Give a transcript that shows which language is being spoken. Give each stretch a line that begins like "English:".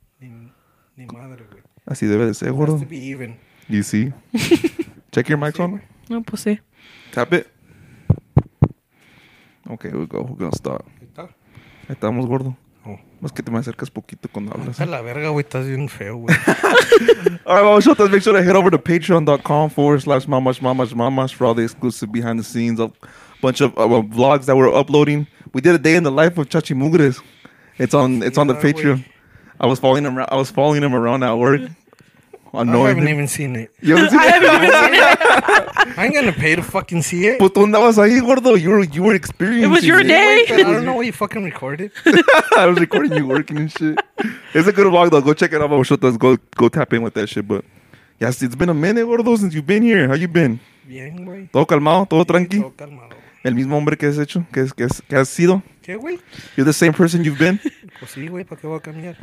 Spanish: Ni madre, güey. Así debe de ser, gordo.
English: Has to be even.
Spanish: Y sí.
English: Check your mics
Spanish: sí.
English: on.
Spanish: No, pues sí.
English: Tap it. Ok, we're gonna start.
Spanish: ¿Qué tal? Ahí estamos, gordo. Más que te me acercas poquito cuando hablas. A la verga, güey, estás bien feo, güey.
English: All right, mamas shotas, make sure to head over to patreon.com/mamas for all the exclusive behind the scenes of a bunch of vlogs that we're uploading. We did a day in the life of Chachi Mugres. It's on the Patreon. I was following him around at work. I haven't even seen it. I ain't gonna pay to fucking see it. But
Spanish: dónde vas ahí, gordo?
English: You were experiencing. It was your day. I don't know what you fucking recorded. I was recording you working and shit. It's a good vlog though. Go check it out. I'll show those. Go tap in with that shit. But yes, it's been a minute, gordo, since you've been here. How you been?
Spanish: Bien, güey. Todo calmado, todo tranqui. Todo calmado. El mismo hombre que has hecho, que has sido. ¿Qué, güey?
English: You're the same person you've been.
Spanish: Pues sí, güey. ¿Para qué voy a cambiar?